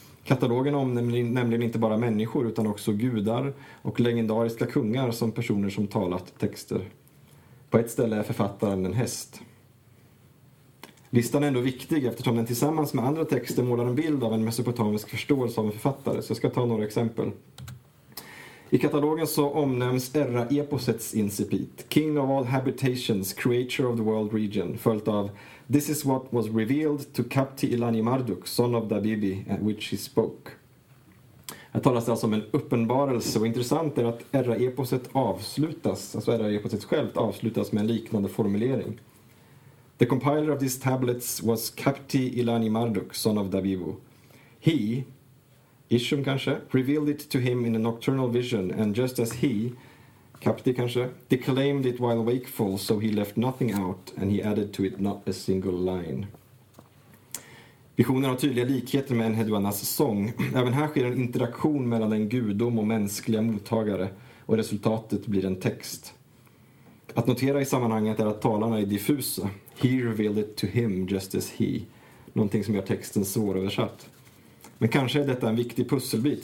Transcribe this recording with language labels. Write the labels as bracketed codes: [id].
[sv] Katalogen omnämner nämligen inte bara människor utan också gudar och legendariska kungar som personer som talat texter. På ett ställe är författaren en häst. Listan är ändå viktig eftersom den tillsammans med andra texter målar en bild av en mesopotamisk förståelse av en författare. Så jag ska ta några exempel. I katalogen så omnämns Erra Eposets incipit, [en] King of all habitations, creator of the world region, [sv] följt av [en] This is what was revealed to Kapti Ilani Marduk, son of Dabibi, at which he spoke. [sv] Här talas det alltså om en uppenbarelse, och intressant är att Erra-eposet avslutas, alltså Erra-eposet självt avslutas med en liknande formulering. [en] The compiler of these tablets was Kapti Ilani Marduk, son of Dabibu. He, Ishum [sv] kanske, [en] revealed it to him in a nocturnal vision, and just as he, Kapti kanske. Declaimed it while wakeful, so he left nothing out and he added to it not a single line. [sv] Visionen har tydliga likheter med en Hedwanas sång. Även här sker en interaktion mellan en gudom och mänskliga mottagare och resultatet blir en text. Att notera i sammanhanget är att talarna är diffusa. [en] He revealed it to him just as he. [sv] Någonting som gör texten svåröversatt. Men kanske är detta en viktig pusselbit.